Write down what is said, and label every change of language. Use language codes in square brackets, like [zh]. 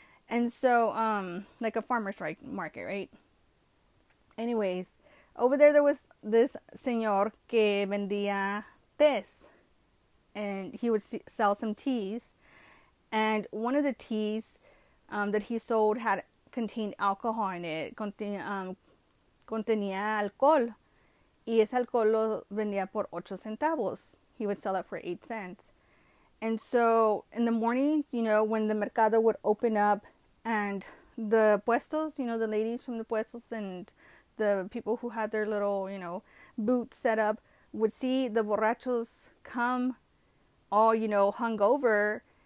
[en] And so, like a farmer's market, right? Anyways, over there was this [es] señor que vendía tés, [en] and he would sell some teas. And one of the teas that he sold had contained alcohol in it. [es] Contenía alcohol. Y ese alcohol lo vendía por 8 centavos. [en] He would sell it for 8 cents. And so in the morning, when the mercado would open up and the puestos, the ladies from the puestos and the people who had their little, booths set up would see the borrachos come all, hungover.